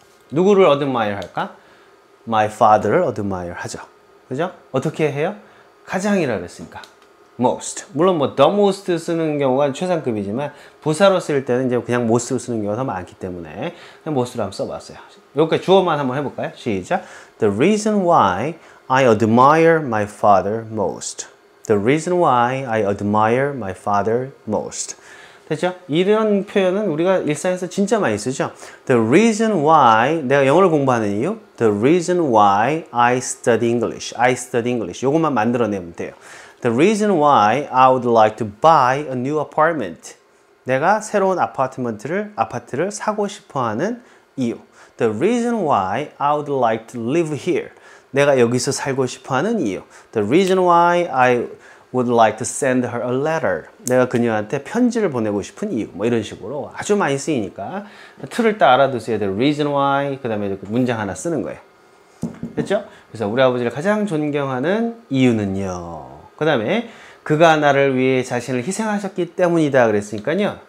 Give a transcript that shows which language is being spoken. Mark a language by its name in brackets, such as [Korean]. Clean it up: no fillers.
[Korean] 누구를 admire 할까? [English] My father [Korean] 를 admire 하죠. 그죠? 어떻게 해요? 가장이라고 했으니까. most. 물론 뭐 the most 쓰는 경우가 최상급이지만 부사로 쓸 때는 이제 그냥 most로 쓰는 경우가 더 많기 때문에 그냥 most로 한번 써봤어요. 여기까지 주어만 한번 해볼까요? 시작! [English] The reason why I admire my father most. The reason why I admire my father most. [Korean] 됐죠? 이런 표현은 우리가 일상에서 진짜 많이 쓰죠? [English] The reason why, [Korean] 내가 영어를 공부하는 이유? [English] The reason why I study English. I study English. [Korean] 이것만 만들어내면 돼요. [English] The reason why I would like to buy a new apartment. [Korean] 내가 새로운 아파트를 사고 싶어 하는 이유. [English] The reason why I would like to live here. [Korean] 내가 여기서 살고 싶어 하는 이유. [English] The reason why I would like to send her a letter. [Korean] 내가 그녀한테 편지를 보내고 싶은 이유. 뭐 이런 식으로 아주 많이 쓰이니까. 틀을 딱 알아두세요. [English] The reason why. [Korean] 그 다음에 이렇게 문장 하나 쓰는 거예요. 됐죠? 그래서 우리 아버지를 가장 존경하는 이유는요. 그 다음에 그가 나를 위해 자신을 희생하셨기 때문이다 그랬으니까요.